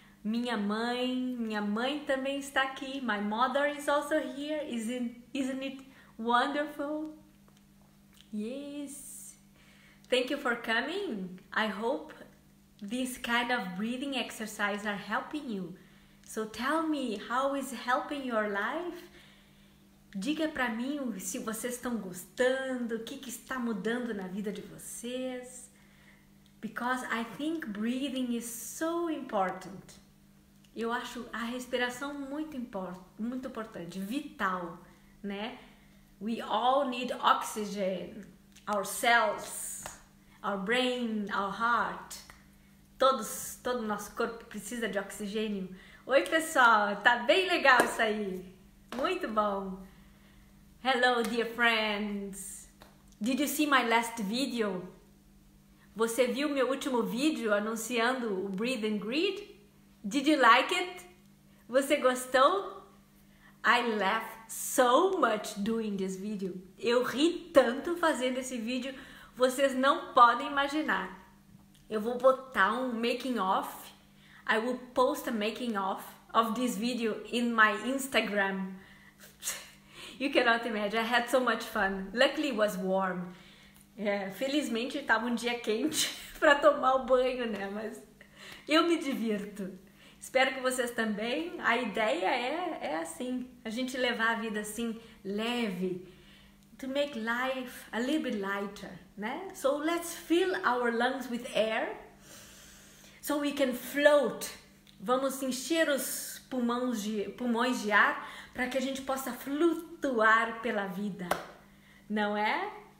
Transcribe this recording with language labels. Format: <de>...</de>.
<pt>Minha mãe também está aqui.</pt> <en>My mother is also here. Isn't it wonderful? Yes. Thank you for coming. I hope this kind of breathing exercise are helping you. So tell me, how is helping your life?</en> <pt>Diga para mim se vocês estão gostando, o que que está mudando na vida de vocês.</pt> <en>Because I think breathing is so important.</en> <pt>Eu acho a respiração muito importante, vital, né?</pt> <en>We all need oxygen, our cells, our brain, our heart.</en> <pt>Todo nosso corpo precisa de oxigênio. Oi, pessoal, tá bem legal isso aí. Muito bom.</pt> <en>Hello, dear friends. Did you see my last video?</en> <pt>Você viu meu último vídeo anunciando o Breathe and Greet?</pt> <en>Did you like it?</en> <pt>Você gostou?</pt> <en>I laughed so much doing this video.</en> <pt>Eu ri tanto fazendo esse vídeo, vocês não podem imaginar. Eu vou botar um making of.</pt> <en>I will post a making of this video in my Instagram. You cannot imagine. I had so much fun. Luckily, it was warm.</en> <pt>É, felizmente estava um dia quente para tomar o banho, né? Mas eu me divirto. Espero que vocês também. A ideia é assim, a gente levar a vida assim leve,</pt> <en>to make life a little bit lighter,</en> <pt>né?</pt> <en>So let's fill our lungs with air, so we can float.</en> <pt>Vamos encher os pulmões de ar para que a gente possa flutuar pela vida, não é?</pt>